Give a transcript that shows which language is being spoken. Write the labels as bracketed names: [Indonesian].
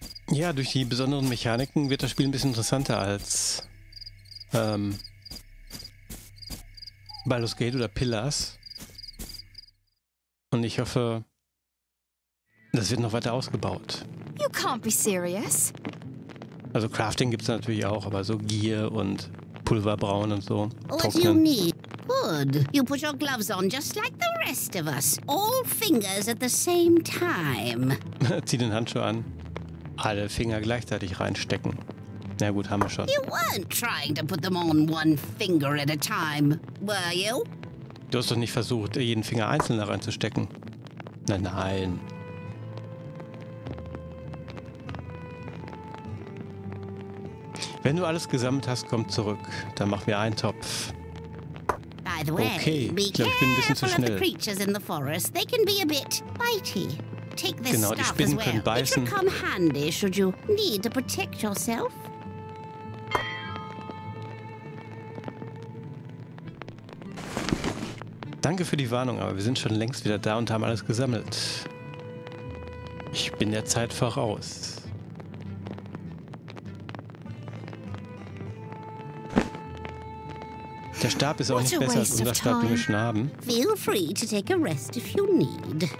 [German] Ja, durch die besonderen Mechaniken wird das Spiel ein bisschen interessanter als Baldur's Gate oder Pillars. Und ich hoffe, das wird noch weiter ausgebaut. [English] You can't be serious. [German] Also Crafting gibt es natürlich auch, aber so Gear und Pulverbrauen und so. [English] What you need? Good. You put your gloves on just like the rest of us. All fingers at the same time. [German] Zieh den Handschuh an. Alle Finger gleichzeitig reinstecken. Na gut, haben wir schon. [English] You weren't trying to put them on one finger at a time, were you? [German] Du hast doch nicht versucht, jeden Finger einzeln da reinzustecken. Nein, nein. Wenn du alles gesammelt hast, komm zurück. Dann machen wir einen Topf. [English] By the way, [German] okay, ich glaube, ich bin ein bisschen zu schnell. [English] The creatures in the forest. They can be a bit bitey. Take this [German] genau, die Spinnen [English] well. [German] Können beißen. [English] It should come handy, should you need to protect yourself. [German] Danke für die Warnung, aber wir sind schon längst wieder da und haben alles gesammelt. Ich bin der Zeit voraus. Der Stab ist auch nicht besser als unser Stab, den wir schon haben. [English] Feel free to take a rest if you need.